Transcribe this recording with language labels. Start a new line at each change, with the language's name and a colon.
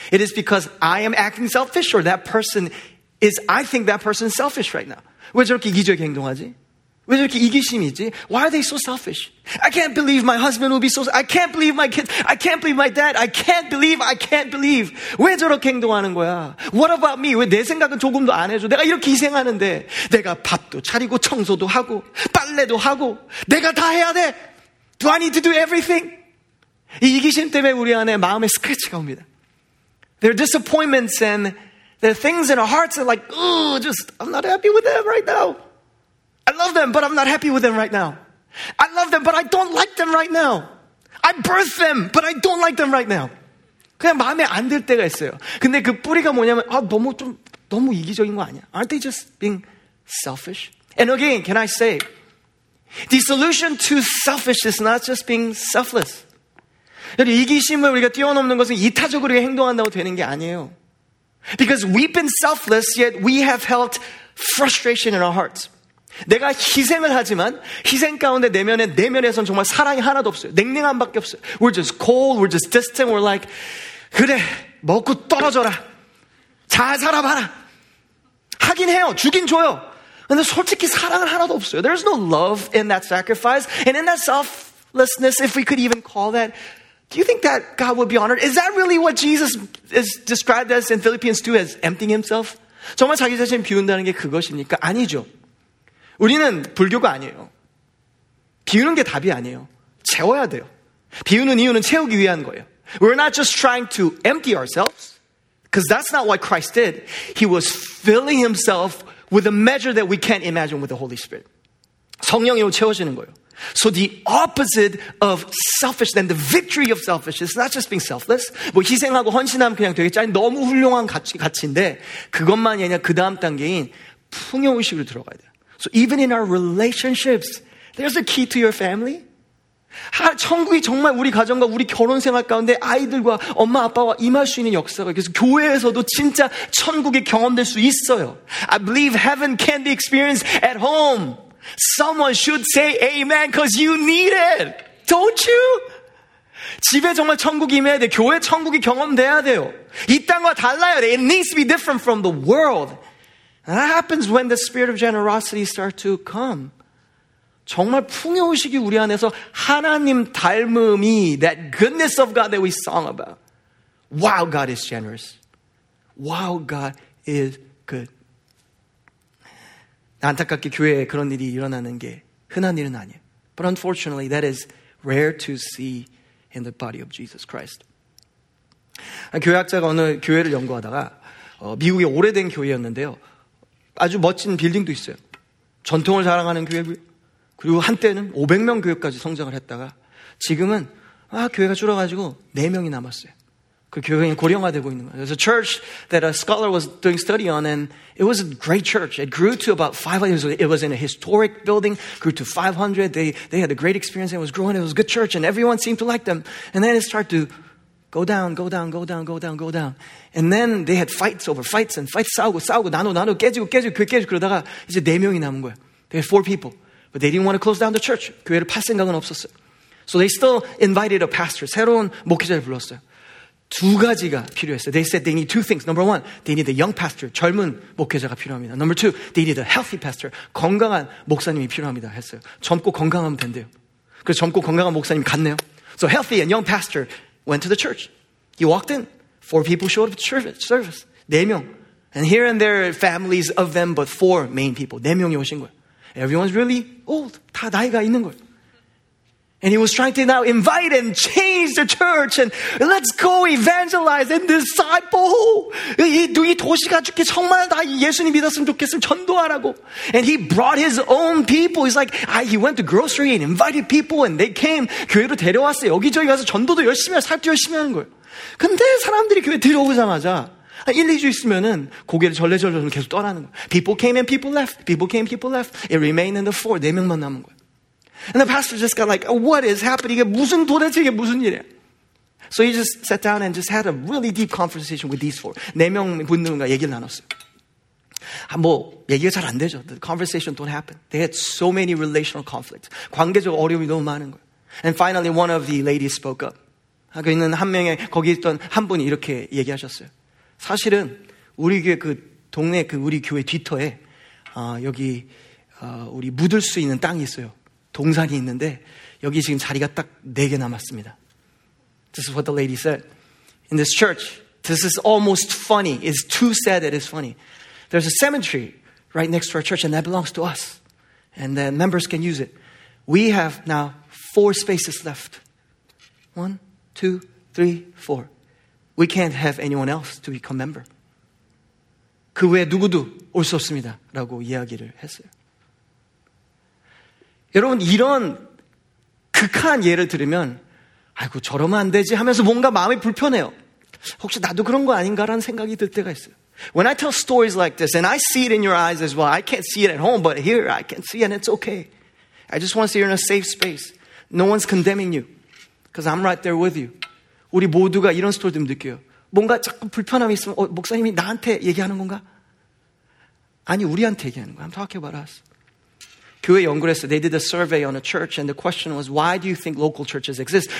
English: It is because I am acting selfish or that person is, I think that person is selfish right now.
Korean: 왜 저렇게 이기적이 행동하지? 왜 저렇게 이기심이 있지?
English: Why are they so selfish? I can't believe my husband will be so selfish. I can't believe my kids. I can't believe my dad. I can't believe.
Korean: 왜 저렇게 행동하는 거야?
English: What about me?
Korean: 왜 내 생각은 조금도 안 해줘? 내가 이렇게 희생하는데 내가 밥도 차리고 청소도 하고 빨래도 하고 내가 다 해야 돼.
English: Do I need to do everything?
Korean: 이 이기심 때문에 우리 안에 마음에 스크래치가 옵니다.
English: There are disappointments and there are things in our hearts that are like, I'm not happy with them right now. I love them, but I'm not happy with them right now. I love them, but I don't like them right now. I birth them, but I don't like them right now.
Korean: 그냥 마음에 안 들 때가 있어요. 근데 그 뿌리가 뭐냐면, 아, 너무 이기적인 거 아니야?
English: Aren't they just being selfish? And again, can I say, the solution to selfishness is not just being selfless.
Korean: 이기심을 우리가 뛰어넘는 것은 이타적으로 행동한다고 되는 게 아니에요.
English: Because we've been selfless, yet we have held frustration in our hearts.
Korean: 내가 희생을 하지만 희생 가운데 내면에선 정말 사랑이 하나도 없어요. 냉랭함밖에 없어요.
English: We're just cold, we're just distant, we're like,
Korean: 그래, 먹고 떨어져라. 잘 살아봐라. 하긴 해요. 주긴 줘요. 근데 솔직히 사랑은 하나도 없어요.
English: There's no love in that sacrifice. And in that selflessness, if we could even call that, do you think that God would be honored? Is that really what Jesus is described as in Philippians 2 as emptying himself?
Korean: 정말 자기 자신 비운다는 게 그것입니까? 아니죠. 우리는 불교가 아니에요. 비우는 게 답이 아니에요. 채워야 돼요. 비우는 이유는 채우기 위한 거예요.
English: We're not just trying to empty ourselves, because that's not what Christ did. He was filling himself with a measure that we can't imagine with the Holy Spirit.
Korean: 성령으로 채워지는 거예요.
English: So the opposite of selfishness, the victory of selfishness, not just being selfless,
Korean: 뭐 희생하고 헌신하면 그냥 되겠지. 아니, 너무 훌륭한 가치인데 그것만이 아니라 그 다음 단계인 풍요의식으로 들어가야 돼요.
English: So even in our relationships, there's a key to your family.
Korean: 아, 천국이 정말 우리 가정과 우리 결혼 생활 가운데 아이들과 엄마 아빠와 임할 수 있는 역사가 그래서 교회에서도 진짜 천국이 경험될 수 있어요.
English: I believe heaven can be experienced at home. Someone should say amen because you need it. Don't you?
Korean: 집에 정말 천국이 임해야 돼. 교회 천국이 경험돼야 돼요. 이 땅과 달라야 돼.
English: It needs to be different from the world. And that happens when the spirit of generosity starts to come.
Korean: 정말 풍요의식이 우리 안에서 하나님 닮음이
English: that goodness of God that we sung about. Wow, God is generous. Wow, God is good.
Korean: 안타깝게 교회에 그런 일이 일어나는 게 흔한 일은 아니에요.
English: But unfortunately, that is rare to see in the body of Jesus Christ.
Korean: 한 교회학자가 어느 교회를 연구하다가 미국의 오래된 교회였는데요. 아주 멋진 빌딩도 있어요. 전통을 자랑하는 교회, 그리고 한때는 500명 교회까지 성장을 했다가 지금은 교회가 줄어가지고 4명이 남았어요. 그 교회는 고령화되고 있는 거예요.
English: There's a church that a scholar was doing study on, and it was a great church. It grew to about 500. It was in a historic building, grew to 500. They had a great experience, and it was growing. It was a good church, and everyone seemed to like them. And then it started to go down, go down, go down, go down, go down. And then they had fights,
Korean: 싸우고, 나눠, 깨지고, 교회 깨지고, 그러다가 이제 네 명이 남은 거예요.
English: They had four people, but they didn't want to close down the church.
Korean: 교회를 팔 생각은 없었어요.
English: So they still invited a pastor,
Korean: 새로운 목회자를 불렀어요. 두 가지가 필요했어요.
English: They said they need two things. Number one, they need a young pastor,
Korean: 젊은 목회자가 필요합니다.
English: Number two, they need a healthy pastor,
Korean: 건강한 목사님이 필요합니다. 했어요. 젊고 건강하면 된대요. 그래서 젊고 건강한 목사님이 갔네요.
English: So healthy and young pastor went to the church. He walked in. Four people showed up to service.
Korean: 네 명.
English: And here and there, families of them, but four main people.
Korean: 네 명이 오신 거예요.
English: Everyone's really old.
Korean: 다 나이가 있는 거예요.
English: And he was trying to now invite and change the church and let's go evangelize and disciple.
Korean: 이 도시가 죽게 정말 다 예수님 믿었으면 좋겠음 전도하라고.
English: And he brought his own people. He's like, he went to grocery and invited people and they came.
Korean: 교회로 데려왔어요. 여기저기 가서 전도도 열심히 하고 살도 열심히 하는 거예요. 근데 사람들이 교회 들어오자마자 1, 2주 있으면은 고개를 절레절레 계속 떠나는 거예요.
English: People came and people left. People came, people left. It remained in the four.
Korean: 네 명만 남은 거예요.
English: And the pastor just got like, what is happening?
Korean: 이게 무슨 도대체 이게 무슨 일이야?
English: So he just sat down and just had a really deep conversation with these four.
Korean: 네 명 분들과 얘기를 나눴어요. 뭐 얘기가 잘 안 되죠.
English: The conversation don't happen. They had so many relational conflicts.
Korean: 관계적 어려움이 너무 많은 거예요.
English: And finally, one of the ladies spoke up.
Korean: 거기 있는 한 명의 거기 있던 한 분이 이렇게 얘기하셨어요. 사실은 우리 교회 그 동네 그 우리 교회 뒤터에 여기 우리 묻을 수 있는 땅이 있어요. 동산이 있는데 여기 지금 자리가 딱 네 개 남았습니다.
English: This is what the lady said. In this church, this is almost funny. It's too sad that it's funny. There's a cemetery right next to our church and that belongs to us. And the members can use it. We have now four spaces left. One, two, three, four. We can't have anyone else to become member.
Korean: 그 외에 누구도 올 수 없습니다. 라고 이야기를 했어요. 여러분 이런 극한 예를 들으면 아이고 저러면 안 되지 하면서 뭔가 마음이 불편해요. 혹시 나도 그런 거 아닌가라는 생각이 들 때가 있어요.
English: When I tell stories like this and I see it in your eyes as well, I can't see it at home but here I can see it and it's okay. I just want to see you in a safe space. No one's condemning you because I'm right there with you.
Korean: 우리 모두가 이런 스토리를 느껴요. 뭔가 자꾸 불편함이 있으면 목사님이 나한테 얘기하는 건가? 아니 우리한테 얘기하는 거야.
English: I'm talking about us.
Korean: 교회 연구를 했어요.
English: They did a survey on a church and the question was, why do you think local churches exist?